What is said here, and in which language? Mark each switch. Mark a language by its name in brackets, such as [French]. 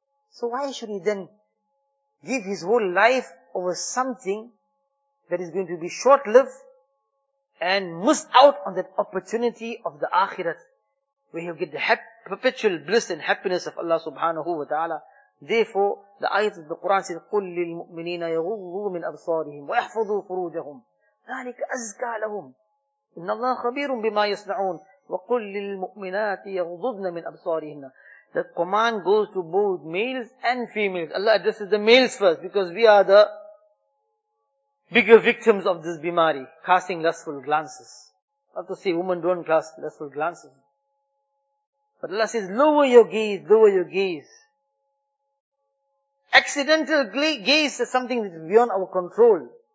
[English] So why should he then give his whole life over something that is going to be short-lived and miss out on that opportunity of the akhirat, where he will get the perpetual bliss and happiness of Allah subhanahu wa ta'ala. [Arabic] Therefore, the ayat of the Quran says, قُلْ لِلْمُؤْمِنِينَ يَغُضُّوا مِنْ أَبْصَارِهِمْ وَيَحْفَظُوا فُرُوجَهُمْ ذَلِكَ أَزْكَى لَهُمْ إِنَّ اللَّهَ خَبِيرٌ بِمَا يَصْنَعُونَ وَقُلْ لِلْمُؤْمِنَاتِ يَغْضُضْنَ مِنْ أَبْصَارِهِنَّ [English] The command goes to both males and females. Allah addresses the males first because we are the bigger victims of this bimari, casting lustful glances. Not to say women don't cast lustful glances. But Allah says, lower your gaze. Accidental gaze is something that is beyond our control.